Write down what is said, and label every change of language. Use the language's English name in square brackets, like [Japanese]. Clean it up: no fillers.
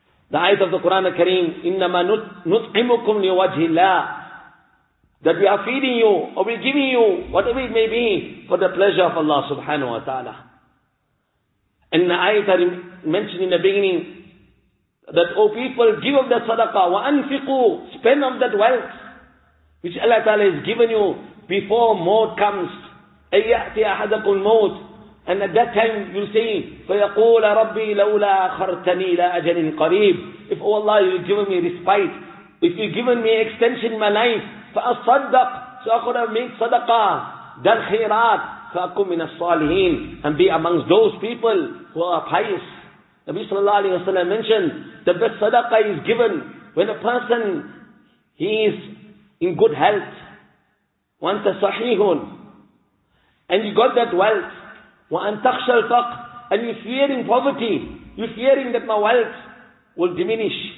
[English] The ayat of the Quran al-Kareem, [Arabic] إِنَّمَا نُطْعِمُكُمْ لِوَجْهِ اللَّهِ, [English] that we are feeding you, or we are giving you, whatever it may be, for the pleasure of Allah subhanahu wa ta'ala. And the ayat I mentioned in the beginning, that, O people, give of that sadaqah, [Arabic] وَأَنْفِقُوا, [English] spend of that wealth, which Allah ta'ala has given you, before maut comes. [Arabic] أَيَّأْتِ أَحَدَكُمْ الْمَوْتِ. [English] And at that time you'll say, [Arabic] فَيَقُولَ رَبِّي لَوْلَا أَخَرْتَنِي لَا أَجَلٍ قَرِيبٍ. [English] If, oh Allah, you've given me respite, if you've given me extension in my life, [Arabic] فَأَصَدَّقْ, [English] so I could have made sadaqah, [Arabic] دَلْ خِيرَات, فَأَكُمْ مِنَ الصَّالِحِينَ, [English] and be amongst those people who are pious. Nabi sallallahu alayhi wa sallam mentioned, the best sadaqah is given when a person, he is in good health, [Arabic] وَأَنْتَ صَحِيحٌ, [English] and you got that wealth, [Arabic] وَأَنْ تَخْشَ الْفَقْرِ, [English] and you're fearing poverty, you're fearing that my wealth will diminish.